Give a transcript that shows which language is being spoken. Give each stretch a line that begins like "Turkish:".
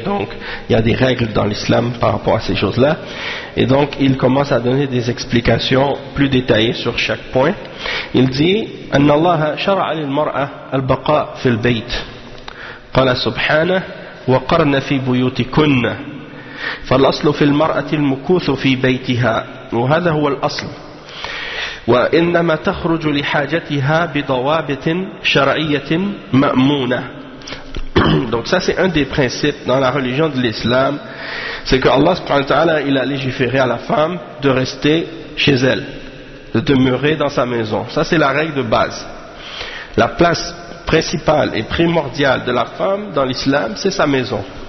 French: Donc il y a des règles dans l'islam par rapport à ces choses-là, et donc il commence à donner des explications plus détaillées sur chaque point. Il dit
Arabic: أن الله شرع للمرأة البقاء في البيت قال سبحانه وقرن في بيوتكن فالأصل في المرأة المكوث في بيتها وهذا هو الأصل وإنما تخرج لحاجتها بضوابط شرعية مأمونة.
French: Donc ça c'est un des principes dans la religion de l'islam, c'est que Allah subhanahu wa ta'ala, il a légiféré à la femme de rester chez elle, de demeurer dans sa maison. Ça c'est la règle de base. La place principale et primordiale de la femme dans l'islam, c'est sa maison.